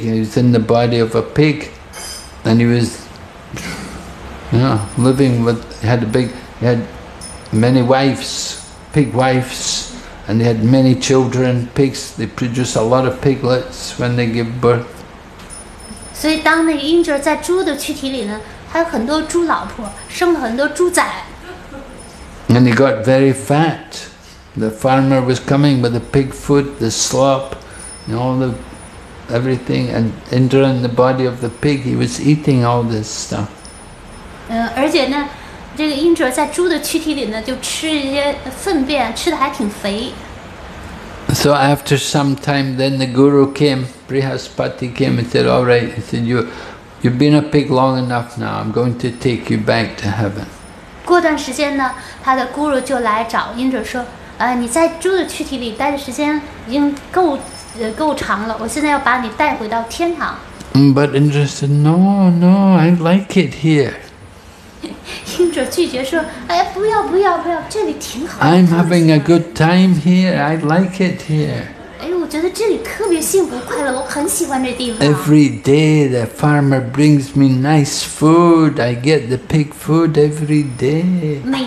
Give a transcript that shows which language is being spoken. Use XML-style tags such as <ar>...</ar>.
<en>He was in the body of a pig, and he was, living with. He had many wives, pig wives, and they had many children, pigs, they produce a lot of piglets when they give birth.</en> <zh>所以当那个英哲在猪的躯体里呢, 还有很多猪老婆, 生了很多猪仔。</zh> <en>And he got very fat. The farmer was coming with the pig food, the slop, and all the everything, and Indra in the body of the pig, he was eating all this stuff.</en> <zh>而且呢,这个英哲在猪的躯体里呢,就吃一些粪便,吃得还挺肥。</zh> <en>So after some time, then the guru came, Brihaspati came and said, alright, he said, you've been a pig long enough now, I'm going to take you back to heaven.</en> <zh>过段时间呢,他的guru就来找英哲说, 你在猪的躯体里待的时间已经够长了, 我现在要把你带回到天堂。</zh> <en>But Indra said, no, I like it here.</en> <zh>英哲拒绝说, 哎,不要,不要,不要, 这里挺好,</zh> <en>I'm having a good time here, I like it here.</en> <zh>哎,我觉得这里特别幸福快乐,我很喜欢这地方。</zh> <en>Every day the farmer brings me nice food, I get the pig food every day.</en>